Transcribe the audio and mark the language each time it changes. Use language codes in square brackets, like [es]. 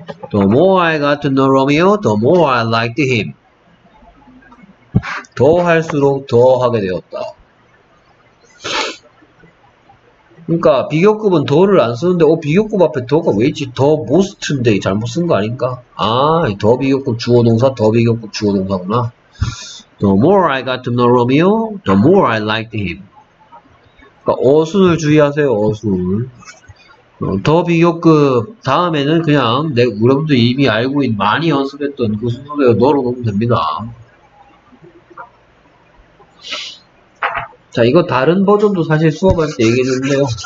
[en] The more I got to know Romeo, the more I liked him. [ko] 더 할수록 더 하게 되었다. 그러니까 비교급은 더를 안 쓰는데, 비교급 앞에 더가 왜 있지? 더 most인데 잘못 쓴 거 아닌가? 아, 더 비교급 주어동사, 더 비교급 주어동사구나. [en] The more I got to know Romeo, the more I liked him. [ko] 그러니까 어순을 주의하세요, 어순. 더 비교급 다음에는 그냥 내 여러분들 이미 알고 있는 많이 연습했던 그 순서대로 넣어놓으면 됩니다. 자, 이거 다른 버전도 사실 수업할 때 얘기해줬는데요.